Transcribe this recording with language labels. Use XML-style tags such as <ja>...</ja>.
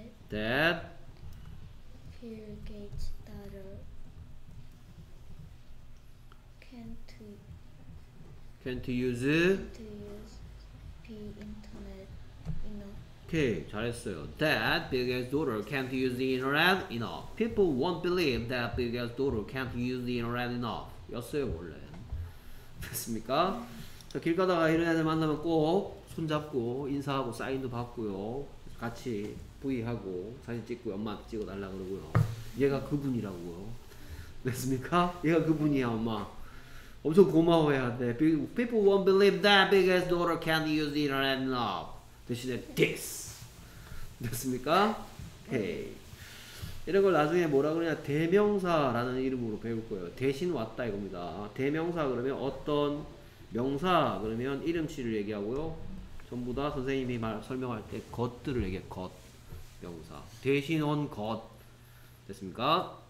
<en>That</en> <ko>빌게이츠 딸을</ko> <en>can't use the internet enough.</en> <ko>오케이, 잘했어요.</ko> <en>That Bill Gates' daughter can't use the internet enough. People won't believe that Bill Gates' daughter can't use the internet enough.</en> <ko>였어요, 원래. 됐습니까? 자, 길 가다가 이런 애들 만나면 꼭 손잡고 인사하고 사인도 받고요. 같이 브이하고 사진 찍고 엄마한테 찍어달라 그러고요. 얘가 그분이라고요. 됐습니까? 얘가 그분이야, 엄마. 엄청 고마워해야 돼.</ko> <en>People won't believe that Bill Gates' daughter can't use the internet enough.</en> <ko>대신에 this 됐습니까? 오케이. 이런 걸 나중에 뭐라 그러냐, 대명사라는 이름으로 배울 거예요. 대신 왔다 이겁니다. 대명사 그러면 어떤 명사 그러면 이름치를 얘기하고요. 전부 다 선생님이 설명할 때 것들을 얘기해. 것 명사 대신 온 것. 됐습니까?</ko>